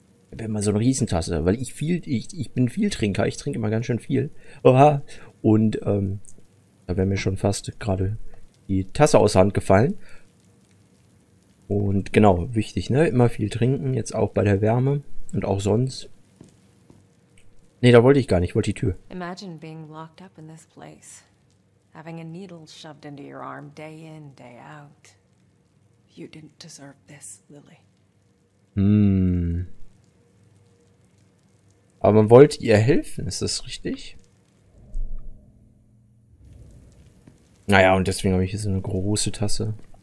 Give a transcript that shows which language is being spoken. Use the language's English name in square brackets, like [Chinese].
[German] Ich habe immer so eine Riesentasse, weil ich bin viel Trinker. Ich trinke immer ganz schön viel. Oha. Und da wäre mir schon fast gerade die Tasse aus der Hand gefallen. Und genau, wichtig, ne? Immer viel trinken, jetzt auch bei der Wärme und auch sonst. Nee, da wollte ich gar nicht, ich wollte die Tür. [English] Imagine being locked up in this place, having a needle shoved into your arm day in, day out. You didn't deserve this, Lily. [German] Aber man wollte ihr helfen, ist das richtig? Naja, und deswegen habe ich hier so eine große Tasse.